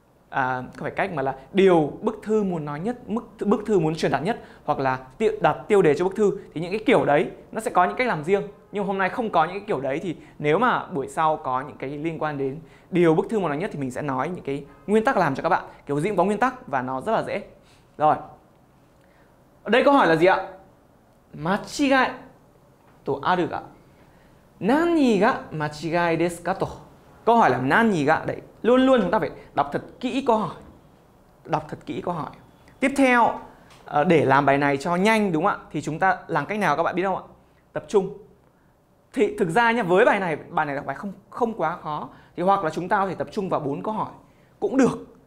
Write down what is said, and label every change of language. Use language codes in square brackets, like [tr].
[vi] không phải cách mà là điều bức thư muốn nói nhất, bức thư muốn truyền đạt nhất, hoặc là đặt tiêu đề cho bức thư. Thì những cái kiểu đấy nó sẽ có những cách làm riêng, nhưng hôm nay không có những cái kiểu đấy, thì nếu mà buổi sau có những cái liên quan đến điều bức thư muốn nói nhất thì mình sẽ nói những cái nguyên tắc làm cho các bạn. Kiểu gì cũng có nguyên tắc và nó rất là dễ. Rồi, ở đây câu hỏi là gì ạ? [ja] 間違い とあるが何が間違いですかと。 [vi] Câu hỏi là 何が, đấy, luôn luôn chúng ta phải đọc thật kỹ câu hỏi. Đọc thật kỹ câu hỏi. Tiếp theo, để làm bài này cho nhanh đúng không ạ? Thì chúng ta làm cách nào các bạn biết không ạ? Tập trung. Thì thực ra nhá, với bài này là bài không quá khó. Thì hoặc là chúng ta có thể tập trung vào 4 câu hỏi cũng được.